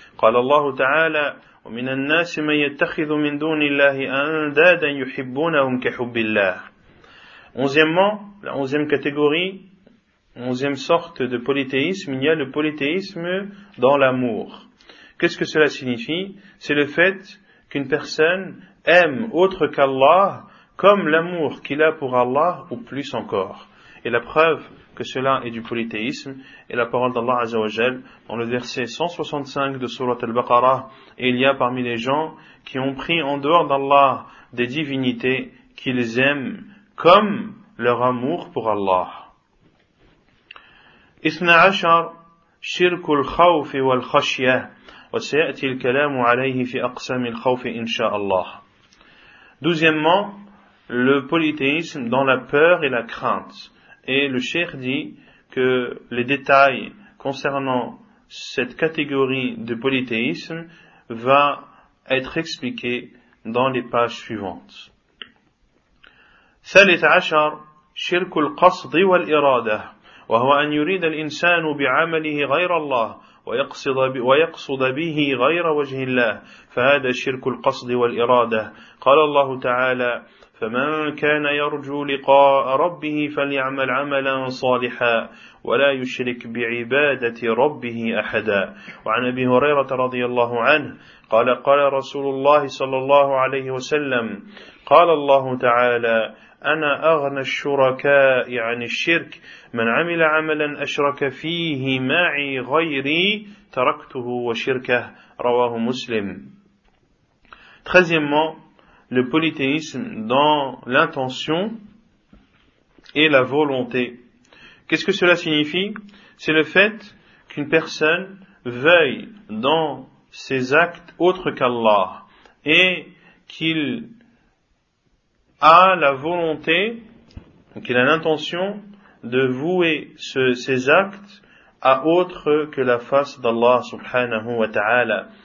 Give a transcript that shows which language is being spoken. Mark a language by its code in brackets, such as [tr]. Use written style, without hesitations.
[ar] Qala Allahu ta'ala, ومن الناس من يتخذ من دون الله أندادا يحبونهم كحب الله. [fr] Onzièmement, la onzième catégorie, onzième sorte de polythéisme, il y a le polythéisme dans l'amour. Qu'est-ce que cela signifie? C'est le fait qu'une personne aime autre qu'Allah comme l'amour qu'il a pour Allah ou plus encore. Et la preuve que cela est du polythéisme est la parole d'Allah Azza wa Jal dans le verset 165 de Sourate Al-Baqarah. Et il y a parmi les gens qui ont pris en dehors d'Allah des divinités qu'ils aiment comme leur amour pour Allah. [ar] إثنى عشر شرك الخوف والخشية وسيأتي الكلام عليه في أقسام الخوف إن شاء الله. [fr] Deuxièmement, le polythéisme dans la peur et la crainte. Et le cheikh dit que les détails concernant cette catégorie de polythéisme va être expliqué dans les pages suivantes. [ar] ثالث عشر شرك القصد والإرادة وهو أن يريد الإنسان بعمله غير الله ويقصد به غير وجه الله فهذا شرك القصد والإرادة. قال الله تعالى فمن كان يرجو لقاء ربه فليعمل عملا صالحا ولا يشرك بعبادة ربه أحدا. وعن أبي هريرة رضي الله عنه قال قال رسول الله صلى الله عليه وسلم قال الله تعالى أنا أغنى الشركاء عن الشرك من عمل عملا أشرك فيه معي غيري تركته وشركه. رواه مسلم. [fr] Treizièmement, le polythéisme dans l'intention et la volonté. Qu'est-ce que cela signifie? C'est le fait qu'une personne veuille dans ses actes autres qu'Allah et qu'il a la volonté, qu'il a l'intention de vouer ses actes à autre que la face d'Allah subhanahu wa ta'ala.